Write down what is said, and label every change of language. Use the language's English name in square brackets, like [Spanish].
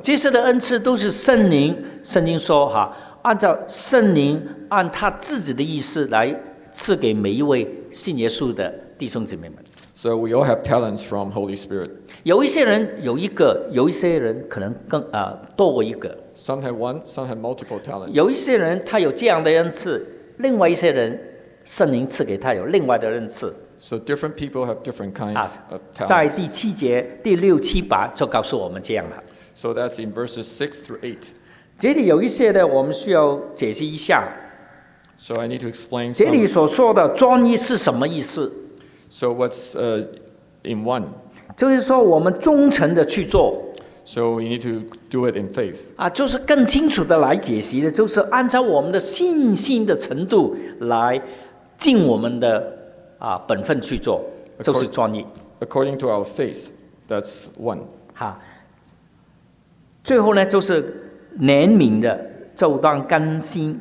[Chinese] 这些的恩赐都是圣灵，圣经说哈，按照圣灵按他自己的意思来赐给每一位信耶稣的弟兄姊妹们。 [English] So we all have talents from Holy Spirit. [Chinese] 有一些人有一个，有一些人可能更多过一个。 [English] Some have one, some have multiple talents. [Chinese] 有一些人他有这样的恩赐，另外一些人圣灵赐给他有另外的恩赐。 [English] So different people have different kinds of talents. [Chinese] 在第七节第六七八就告诉我们这样了。 [English] So that's in verses 6-8. [Chinese] 这里有一些的我们需要解释一下。 [English] So I need to explain some. [Chinese] 这里所说的专一是什么意思？ [English] So what's in one? [Chinese] 就是说我们忠诚的去做。 [English] So you need to do it in faith. [Chinese] 就是更清楚的来解析的，就是按照我们的信心的程度来尽我们的本分去做，就是专一。 [English] According to our faith, that's one. [Chinese] 最后呢，就是怜悯的，就当甘心。